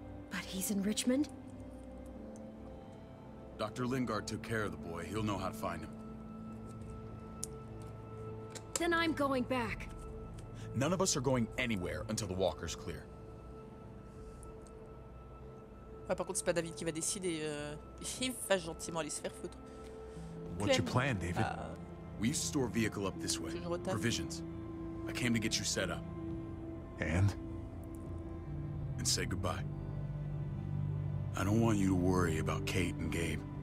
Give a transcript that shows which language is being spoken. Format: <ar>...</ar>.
<en>But he's in Richmond? Dr. Lingard took care of the boy. He'll know how to find him. Then I'm going back. None of us are going anywhere until the walker's clear.</en> <fr>Ouais, par contre, c'est pas David qui va décider. Il va gentiment aller se faire foutre.</fr> <en>What's your plan, David? We used to store a vehicle up this way. Provisions. I came to get you set up. And? And say goodbye. I don't want you to worry about Kate and Gabe.</en>